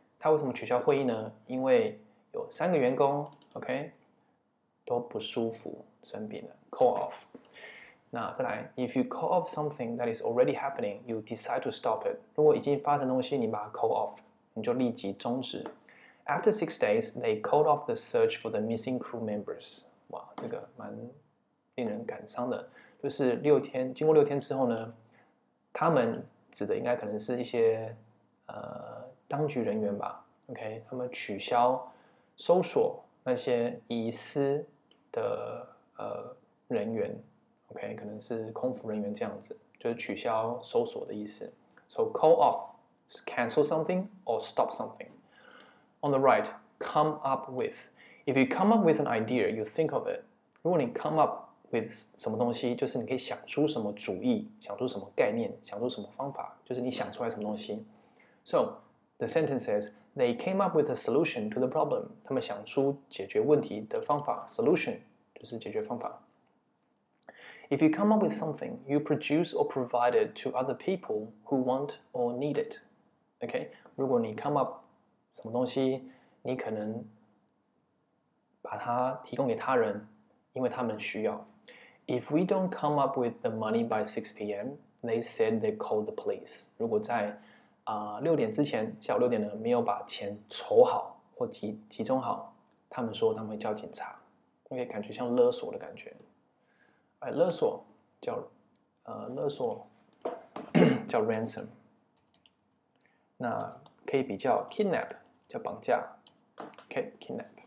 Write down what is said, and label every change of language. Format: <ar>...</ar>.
<zh>他为什么取消会议呢？因为有三个员工 ，okay， 都不舒服，生病了。Call off. 那再来</zh> <en>，If you call off something that is already happening, you decide to stop it.</en> <zh>如果已经发生东西，你把它 call off， 你就立即终止。</zh> <en>After 6 days, they called off the search for the missing crew members.</en> <zh>哇，这个蛮令人感伤的。就是六天，经过六天之后呢，他们指的应该可能是一些当局人员吧。 OK， 他们取消搜索那些遗失的人员。 OK， 可能是空服人员这样子，就是取消搜索的意思。</zh> <en>So call off, cancel something or stop something. On the right, come up with. If you come up with an idea, you think of it.</en> <zh>如果你</zh> <en>come up</en> <zh>with 什么东西，就是你可以想出什么主意，想出什么概念，想出什么方法，就是你想出来什么东西。</zh> <en>So the sentence is they came up with a solution to the problem.</en> <zh>他们想出解决问题的方法 ，solution 就是解决方法。</zh> <en>If you come up with something, you produce or provide it to other people who want or need it.</en> <zh>Okay, 如果你 come up 什么东西，你可能把它提供给他人，因为他们需要。</zh> <en>If we don't come up with the money by 6 p.m., they said they'd call the police.</en> <zh>如果在六点之前，下午六点呢，没有把钱筹好或集中好，他们说他们会叫警察。 OK， 感觉像勒索的感觉。勒索叫勒索叫 ransom， 那可以比较 kidnap 叫绑架 ，OK，kidnap。</zh>